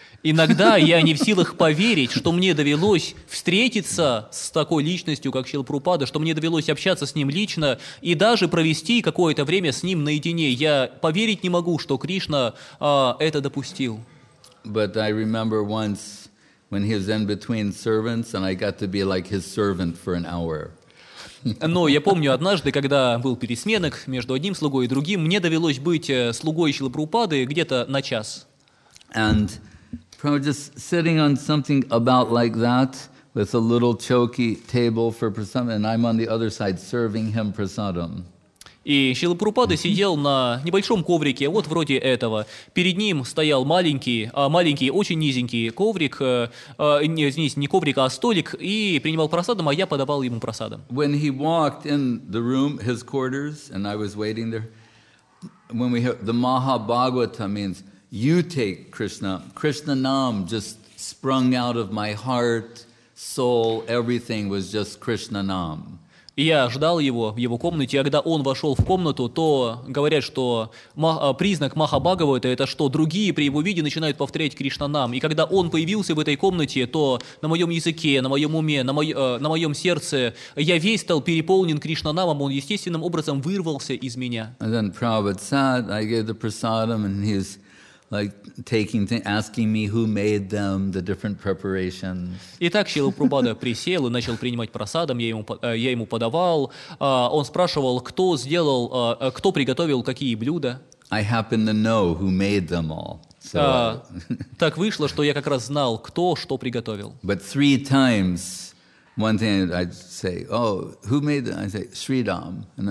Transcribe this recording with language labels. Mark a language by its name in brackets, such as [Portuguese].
[Russian] Иногда я не в силах поверить, что мне довелось встретиться с такой личностью, как Шрила Прабхупада, что мне довелось общаться с ним лично и даже провести какое-то время с ним наедине. Я поверить не могу, что Кришна это допустил. [English] But I remember once when he was in between servants and I got to be like his servant for an hour. [Russian] Но я помню однажды, когда был пересменок между одним слугой и другим, мне довелось быть слугой Шрилы Прабхупады где-то на час. [English] And just sitting on something about like that with a little choky table for prasadam, and I'm on the other side serving him prasadam. [Russian] И Шрила Прабхупада сидел на небольшом коврике, вот вроде этого. Перед ним стоял маленький, очень низенький коврик, извините, не коврик, а столик, и принимал прасадам, а я подавал ему прасадам. [English] When he walked in the room, his quarters, and I was waiting there, when we heard the Mahabhagavata means, you take Krishna. Krishna Nam just sprung out of my heart, soul, everything was just Krishna Nam. [Russian] Я ждал его в его комнате, когда он вошел в комнату, то говорят, что признак Махабхагавата – это что другие при его виде начинают повторять Кришна Нам. И когда он появился в этой комнате, то на моем языке, на моем уме, на моем сердце я весь стал переполнен Кришна Намом, он естественным образом вырвался из меня. [English] And then Prabhupada sat, I gave the prasadam, and he's like taking, asking me who made them, the different preparations. [Russian] Итак, Шрила Прабхупада присел и начал принимать прасадам. Я ему подавал. Он спрашивал, кто сделал, кто приготовил какие блюда. [English] I happen to know who made them all. So. [Russian] Так вышло, что я как раз знал, кто что приготовил. [English] But three times One thing I'd say, oh, who made that? I'd say, Sridham.